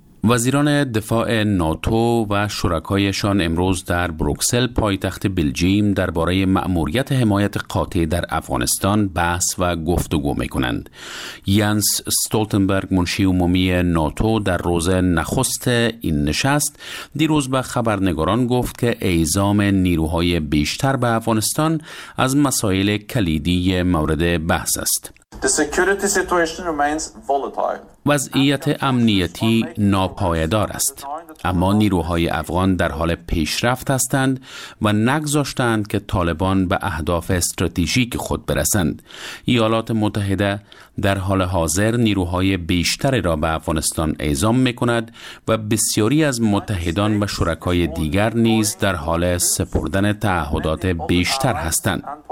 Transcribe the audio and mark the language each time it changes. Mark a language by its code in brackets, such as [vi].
[fa] وزیران دفاع ناتو و شرکایشان امروز در بروکسل پایتخت بلژیم درباره مأموریت حمایت قاطع در افغانستان بحث و گفتگو میکنند. یانس ستولتنبرگ منشی عمومی ناتو در روز نخست این نشست دیروز به خبرنگاران گفت که اعزام نیروهای بیشتر به افغانستان از مسائل کلیدی مورد بحث است. [en] The security situation remains volatile. [fa] وضعیت امنیتی ناپایدار است، اما نیروهای افغان در حال پیشرفت هستند و نگذاشتند که طالبان به اهداف استراتژیک خود برسند. ایالات متحده در حال حاضر نیروهای بیشتری را به افغانستان اعزام می‌کند و بسیاری از متحدان و شرکای دیگر نیز در حال سپردن تعهدات بیشتر هستند.